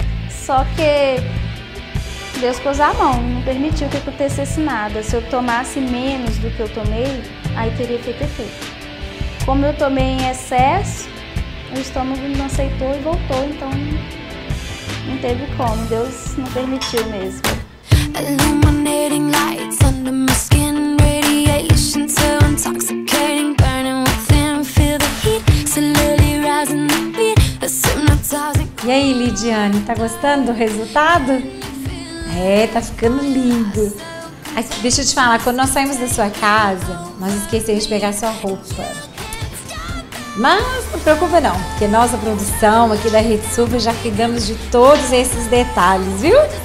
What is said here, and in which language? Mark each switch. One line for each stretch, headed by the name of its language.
Portuguese: Só que Deus pôs a mão, não permitiu que acontecesse nada. Se eu tomasse menos do que eu tomei, aí teria feito efeito. Como eu tomei em excesso, o estômago não aceitou e voltou, então não teve como, Deus não permitiu mesmo.
English: Illuminating lights under my skin, radiation so intoxicating, burning within, feel the heat, slowly rising up, the hypnotizing.
Portuguese: E aí, Lidiane, tá gostando do resultado? É, tá ficando lindo. Mas deixa eu te falar, quando nós saímos da sua casa, nós esquecemos de pegar sua roupa. Mas não se preocupe não, porque nossa produção aqui da Rede Super já cuidamos de todos esses detalhes, viu?